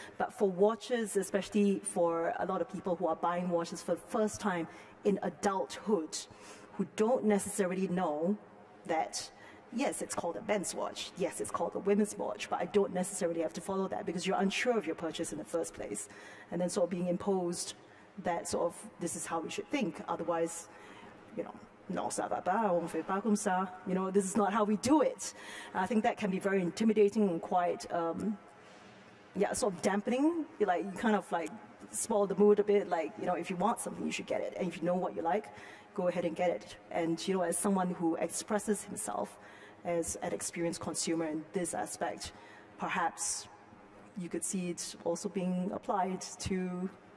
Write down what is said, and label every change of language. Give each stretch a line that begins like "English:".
English: But for watches, especially for a lot of people who are buying watches for the first time in adulthood, who don't necessarily know that, yes, it's called a men's watch, yes, it's called a women's watch, but I don't necessarily have to follow that because you're unsure of your purchase in the first place. And then sort of being imposed that sort of, this is how we should think, otherwise, you know,
French: non, ça va pas, on fait pas comme ça.
English: You know, this is not how we do it. I think that can be very intimidating and quite, sort of dampening. You kind of spoil the mood a bit. Like, you know, if you want something, you should get it. And if you know what you like, go ahead and get it. And, you know, as someone who expresses himself as an experienced consumer in this aspect, perhaps you could see it also being applied to...